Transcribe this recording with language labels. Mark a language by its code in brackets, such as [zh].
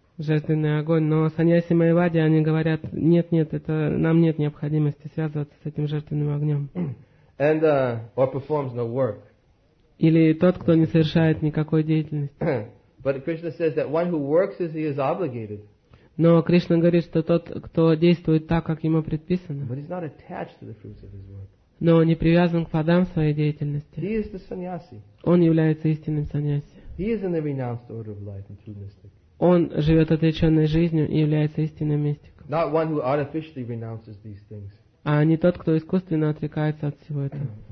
[ru] Жертвенный огонь. Но саньяси майявади, они говорят, нет, это нам нет необходимости связываться с этим жертвенным огнем. [en] And or performs no work. [ru] Или тот, кто не совершает никакой деятельности. [en] But Krishna says that one who works as he is obligated. [ru] Но Кришна говорит, что тот, кто действует так, как ему предписано. [en] But he's not attached to the fruits of his work. [ru] Но он не привязан к плодам своей деятельности. [en] He is the sannyasi. [ru] Он является истинным саньяси. [en] He is in the renounced order of life and true mystic. [ru] Он живет отреченной жизнью и является истинным мистиком. [en] Not one who artificially renounces these things. [ru] А не тот, кто искусственно отрекается от всего этого.